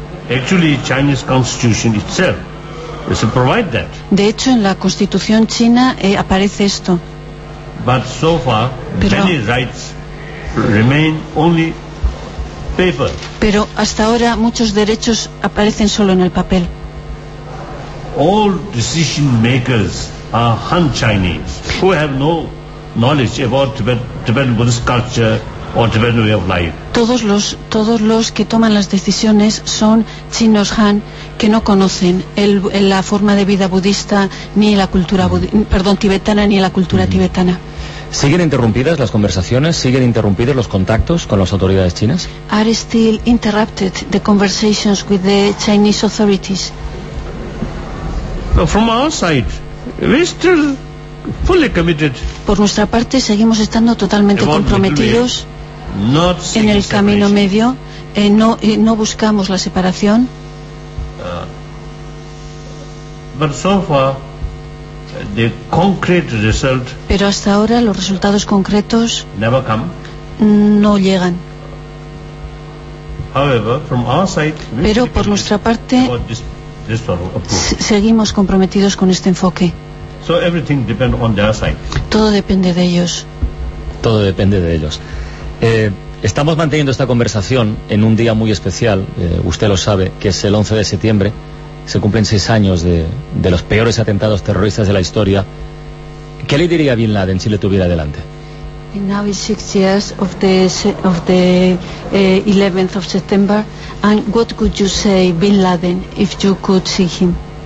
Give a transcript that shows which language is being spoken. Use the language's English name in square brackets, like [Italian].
[English] Actually, Chinese constitution itself is to provide that. [Spanish] De hecho, en la constitución china aparece esto. [English] But so far, [Spanish] pero [English] many rights remain only paper. [Spanish] Pero hasta ahora muchos derechos aparecen solo en el papel. [English] All decision makers are Han Chinese who have no knowledge about Tibetan Buddhist culture or Tibetan way of life. [Spanish] Todos los que toman las decisiones son chinos Han que no conocen la forma de vida budista ni la cultura tibetana ni la cultura tibetana. ¿Siguen interrumpidas las conversaciones? ¿Siguen interrumpidos los contactos con las autoridades chinas? [English] Are still interrupted the conversations with the Chinese authorities? From our side, we still fully committed. [Spanish] Por nuestra parte, seguimos estando totalmente [English] about [Spanish] comprometidos [English] not [Spanish] en el camino [English] separation. [Spanish] Medio. No buscamos la separación. [English] But so far, the concrete result. [Spanish] Pero hasta ahora los resultados concretos [English] never come. [Spanish] No llegan. [English] However, from our side, [Spanish] pero por nuestra parte [English] this [Spanish] seguimos comprometidos con este enfoque. [English] So everything depends on their side. [Spanish] Todo depende de ellos. Todo depende de ellos. Estamos manteniendo esta conversación en un día muy especial, usted lo sabe, que es el 11 de septiembre. Se cumplen 6 años de los peores atentados terroristas de la historia. ¿Qué le diría Bin Laden si le tuviera delante? [English] And now it's 6 years of the 11th of September. And what could you say, Bin Laden, if you could see him?